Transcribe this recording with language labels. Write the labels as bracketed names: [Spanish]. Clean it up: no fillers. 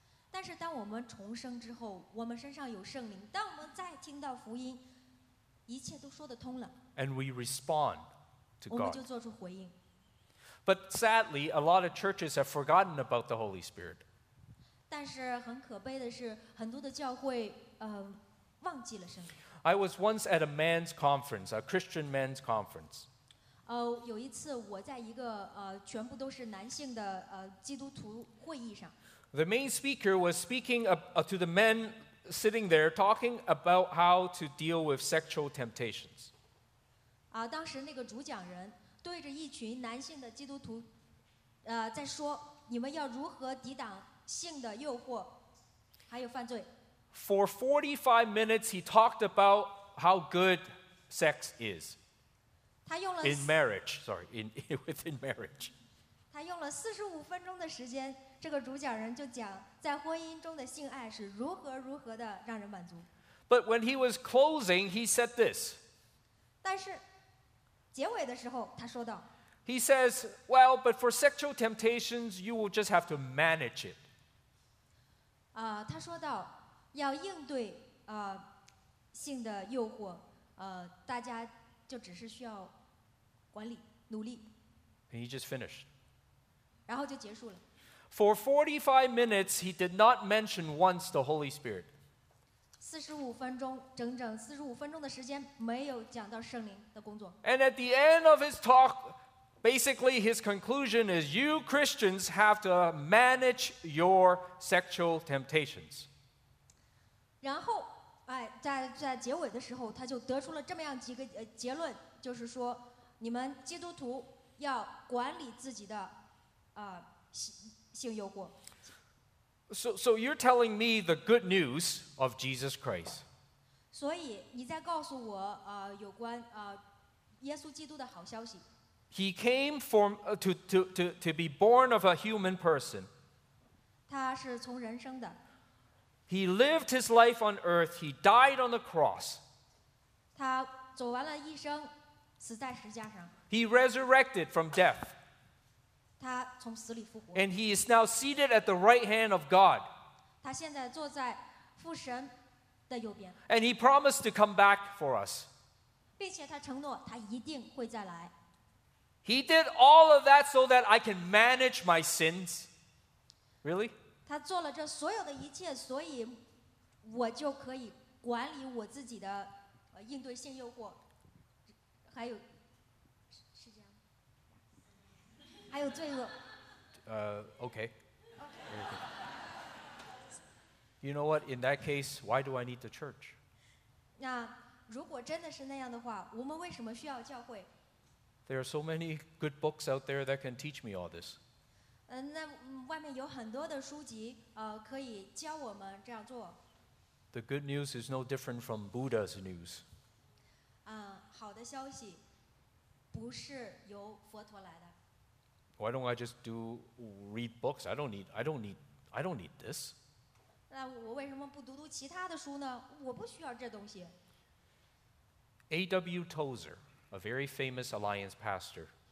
[Chinese] 但是当我们重生之后，我们身上有圣灵，当我们再听到福音，一切都说得通了。 [English] And we respond to God. [Chinese] 我们就做出回应。 [English] But sadly, a lot of churches have forgotten about the Holy Spirit. [Chinese] 但是很可悲的是，很多的教会，忘记了圣灵。 [English] I was once at a man's conference, a Christian man's conference. [Chinese] 有一次我在一个全部都是男性的基督徒会议上。 [English] The main speaker was speaking to the men sitting there, talking about how to deal with sexual temptations. [Chinese] 当时那个主讲人对着一群男性的基督徒，在说你们要如何抵挡性的诱惑，还有犯罪。 [English] For 45 minutes, he talked about how good sex is. [Chinese] 他用了 [English] within marriage. [Chinese] 他用了45分钟的时间。这个主讲人就讲在婚姻中的性爱是如何如何的让人满足。 [English] But when he was closing, he said this. [Chinese] 但是结尾的时候他说道。 [English] He says, well, but for sexual temptations, you will just have to manage it. [Chinese] 他说到要应对性的诱惑，大家就只是需要管理努力。 [English] And he just finished. [Chinese] 然后就结束了。 [English] For 45 minutes, he did not mention once the Holy Spirit. [Chinese] 45分钟，整整45分钟的时间，没有讲到圣灵的工作。 [English] And at the end of his talk, basically his conclusion is, you Christians have to manage your sexual temptations. [Chinese] 然后，在结尾的时候，他就得出了这么样几个结论，就是说，你们基督徒要管理自己的性诱惑。 [English] So you're telling me the good news of Jesus Christ. [Chinese] 所以你在告诉我有关耶稣基督的好消息。 [English] He came to be born of a human person. [Chinese] 他是从人生的。 [English] He lived his life on earth. He died on the cross. [Chinese] 他走完了一生，死在十架上。 [English] He resurrected from death. [Chinese] 他从死里复活。 [English] And he is now seated at the right hand of God. [Chinese] 他现在坐在父神的右边。 [English] And he promised to come back for us. [Chinese] 并且他承诺他一定会再来。 [English] He did all of that so that I can manage my sins. Really? [Chinese] 他做了这所有的一切，所以我就可以管理我自己的应对性诱惑，还有。还有罪恶。 [English] Okay. Okay. You know what? In that case, why do I need the church? [Chinese] 那如果真的是那样的话，我们为什么需要教会？ [English] There are so many good books out there that can teach me all this. [Chinese] 那外面有很多的书籍，可以教我们这样做。 [English] The good news is no different from Buddha's news. [Chinese] 好的消息不是由佛陀来的。 [English] Why don't I just read books? I don't need this. [Chinese] 那我为什么不读读其他的书呢？我不需要这东西。 [English] A.W. Tozer, a very famous Alliance pastor.